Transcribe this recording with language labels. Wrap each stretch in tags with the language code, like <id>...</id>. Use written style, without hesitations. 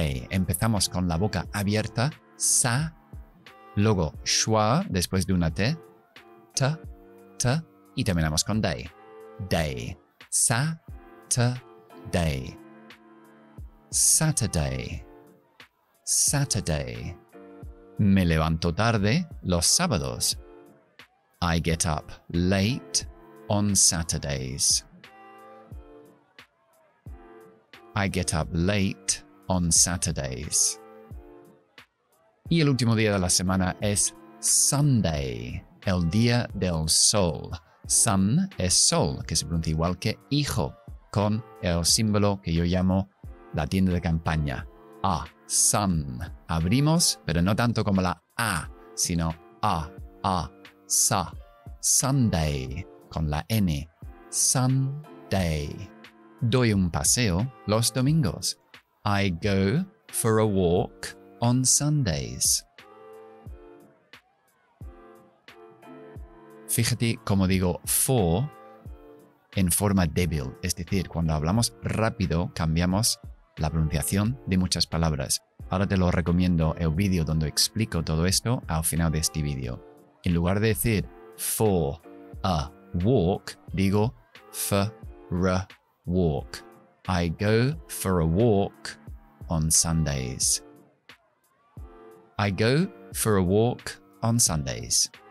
<es>Empezamos con la boca abierta. Sa. Luego schwa después de una T. Ta. Ta. Y terminamos con day. Day.</es> <en>Saturday. Saturday. Saturday.</en> <es>Me levanto tarde los sábados.</es> <en>I get up late on Saturdays. I get up late on Saturdays.</en> <es>Y el último día de la semana es Sunday, el día del sol. Sun es sol, que se pronuncia igual que hijo, con el símbolo que yo llamo la tienda de campaña. A, sun. Abrimos, pero no tanto como la A, sino a, sa. Sunday, con la N. Sunday. Doy un paseo los domingos.</es> <en>I go for a walk on Sundays.</en> <es>Fíjate cómo digo for en forma débil. Es decir, cuando hablamos rápido, cambiamos la pronunciación de muchas palabras. Ahora te lo recomiendo el vídeo donde explico todo esto al final de este vídeo. En lugar de decir</es> <en>for a walk,</en> <es>digo</es> <en>for a walk. I go for a walk on Sundays. I go for a walk on Sundays.</en>